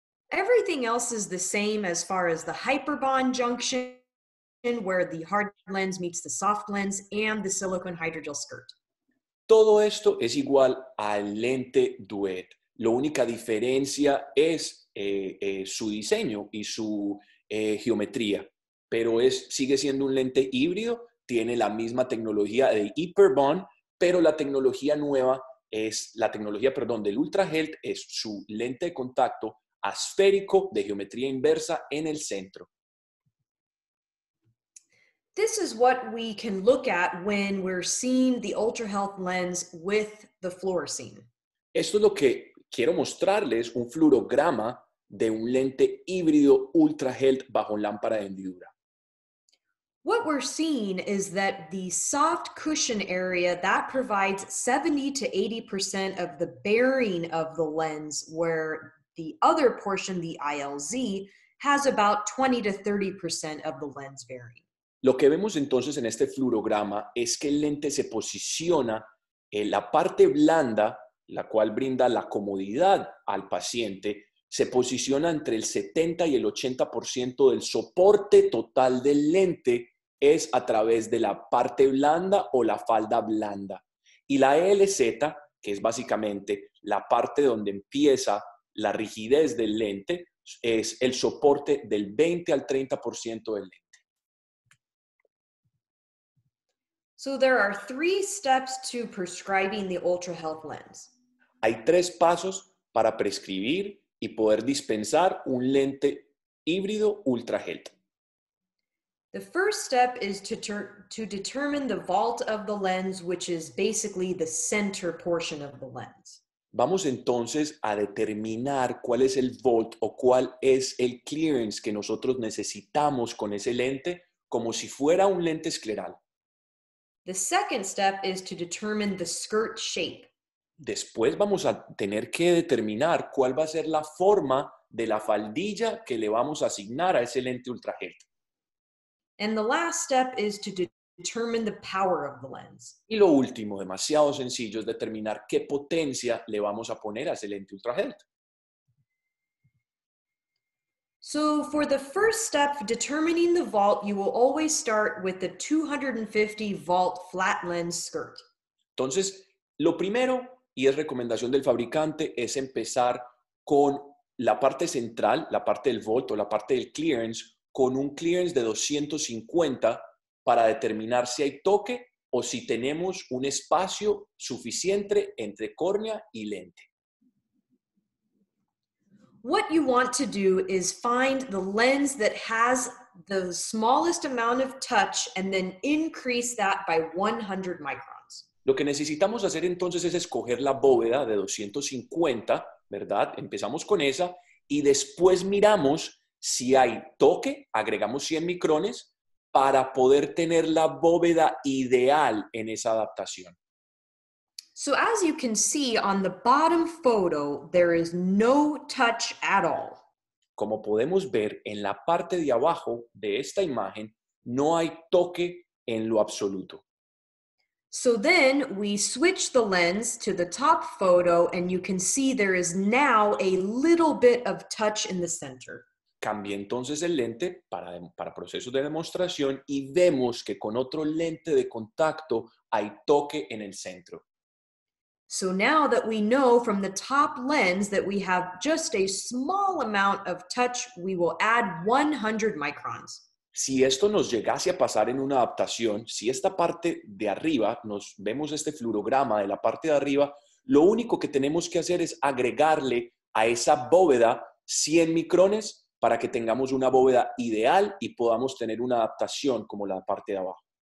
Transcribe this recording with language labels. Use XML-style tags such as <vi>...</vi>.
<en>Everything else is the same as far as the hyperbond junction, where the hard lens meets the soft lens, and the silicone hydrogel skirt.</en> <es>Todo esto es igual al lente duet. La única diferencia es su diseño y su geometría. Pero es, sigue siendo un lente híbrido, tiene la misma tecnología de hyperbond, pero la tecnología nueva es, la tecnología, perdón, del UltraHealt es su lente de contacto asférico de geometría inversa en el centro.</es> <en>This is what we can look at when we're seeing the UltraHealth lens with the fluorescein.</en> <es>Esto es lo que quiero mostrarles, un fluorograma de un lente híbrido UltraHealth bajo lámpara de hendidura.</es> <en>What we're seeing is that the soft cushion area that provides 70 to 80% of the bearing of the lens, where the other portion, the ILZ, has about 20 to 30% of the lens bearing.</en> <es>Lo que vemos entonces en este fluorograma es que el lente se posiciona en la parte blanda, la cual brinda la comodidad al paciente, se posiciona entre el 70 y el 80% del soporte total del lente es a través de la parte blanda o la falda blanda. Y la ELZ, que es básicamente la parte donde empieza la rigidez del lente, es el soporte del 20 al 30% del lente.</es> <en>So there are three steps to prescribing the UltraHealth lens.</en> <es>Hay tres pasos para prescribir y poder dispensar un lente híbrido UltraHealth.</es> <en>The first step is to determine the vault of the lens, which is basically the center portion of the lens.</en> <es>Vamos entonces a determinar cuál es el vault o cuál es el clearance que nosotros necesitamos con ese lente, como si fuera un lente escleral.</es> <en>The second step is to determine the skirt shape.</en> <es>Después vamos a tener que determinar cuál va a ser la forma de la faldilla que le vamos a asignar a ese lente UltraHealth.</es> <en>And the last step is to determine the power of the lens.</en> <es>Y lo último, demasiado sencillo, es determinar qué potencia le vamos a poner a ese lente UltraHealth.</es> <en>So for the first step, determining the vault, you will always start with the 250 vault flat lens skirt.</en> <es>Entonces, lo primero, y es recomendación del fabricante, es empezar con la parte central, la parte del vault o la parte del clearance, con un clearance de 250 para determinar si hay toque o si tenemos un espacio suficiente entre córnea y lente.</es> <en>What you want to do is find the lens that has the smallest amount of touch and then increase that by 100 microns.</en> <es>Lo que necesitamos hacer entonces es escoger la bóveda de 250, ¿verdad? Empezamos con esa y después miramos si hay toque, agregamos 100 micrones para poder tener la bóveda ideal en esa adaptación.</es> <en>So as you can see on the bottom photo, there is no touch at all.</en> <es>Como podemos ver en la parte de abajo de esta imagen, no hay toque en lo absoluto.</es> <en>So then we switch the lens to the top photo and you can see there is now a little bit of touch in the center.</en> <es>Cambié entonces el lente para procesos de demostración y vemos que con otro lente de contacto hay toque en el centro.</es> <en>So now that we know from the top lens that we have just a small amount of touch, we will add 100 microns.</en> <es>Si esto nos llegase a pasar en una adaptación, si esta parte de arriba, nos vemos este fluorograma de la parte de arriba, lo único que tenemos que hacer es agregarle a esa bóveda 100 micrones para que tengamos una bóveda ideal y podamos tener una adaptación como la parte de abajo.</es>